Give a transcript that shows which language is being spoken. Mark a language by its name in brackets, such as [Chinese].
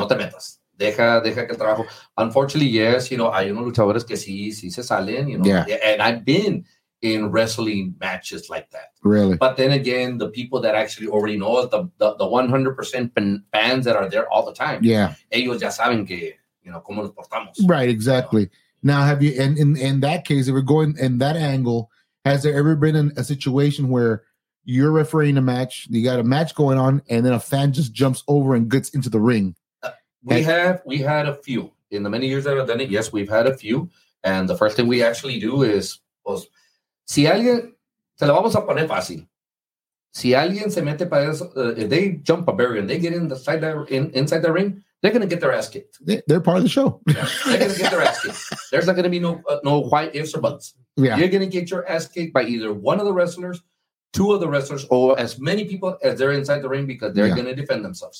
[Spanish] No te metas. Deja que trabajo. [English] Unfortunately, yes, you know, [Spanish] hay unos luchadores que sí se salen, [English] you know. Yeah. And I've been in wrestling matches like that. Really? But then again, the people that actually already know it, the 100% fans that are there all the time. Yeah. [Spanish] Ellos ya saben que, [English] you know, [Spanish] cómo nos portamos. [English] Right, exactly. You know? Now, have you, in that case, if we're going in that angle, has there ever been a situation where you're refereeing a match, you got a match going on, and then a fan just jumps over and gets into the ring? We had a few. In the many years that I've done it, yes, we've had a few. And the first thing we actually do is, [Spanish] pues, si alguien, te lo vamos a poner fácil. Si alguien se mete para eso, [English] if they jump a barrier and they get inside the ring, they're going to get their ass kicked. They're part of the show. Yeah, they're going to get their ass kicked. There's not going to be no why, ifs, or buts. Yeah. You're going to get your ass kicked by either one of the wrestlers, two of the wrestlers, or as many people as they're inside the ring, because they're going to defend themselves.